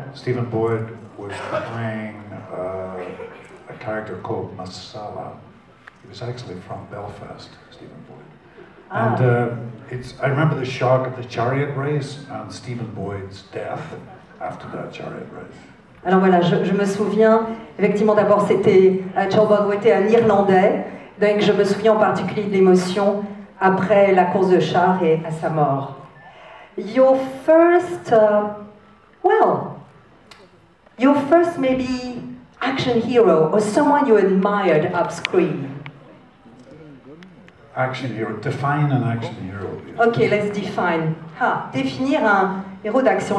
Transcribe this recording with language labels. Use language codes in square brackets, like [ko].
[en] Stephen Boyd was playing a character called Masala. He was actually from Belfast, Stephen Boyd. And I remember the shock of the chariot race and Stephen Boyd's death after that chariot race. [fr] Alors voilà, je me souviens, effectivement d'abord c'était un Irlandais, donc je me souviens en particulier de l'émotion après la course de char et à sa mort. [en] Your first, your first maybe action hero or someone you admired up screen. Action hero. Define an action hero. Okay, let's define. [fr] Définir un héros d'action.